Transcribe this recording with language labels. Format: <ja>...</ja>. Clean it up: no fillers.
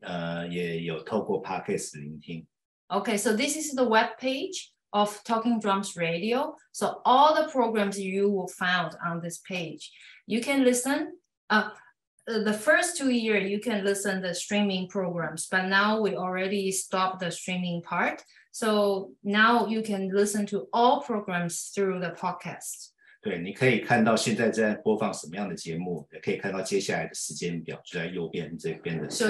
<zh>这个是我们广播电台的首页，我们的节目是都在这里头放送，同时我也有透过 podcast 聆听。</zh> <en>Okay, so this is the web page of Talking Drums Radio. So all the programs you will find on this page, you can listen. The first 2 years you can listen the streaming programs, but now we already stopped the streaming part. So now you can listen to all programs through the podcast.</en> <zh>对，你可以看到现在在播放什么样的节目，也可以看到接下来的时间表就在右边这边的。So</zh>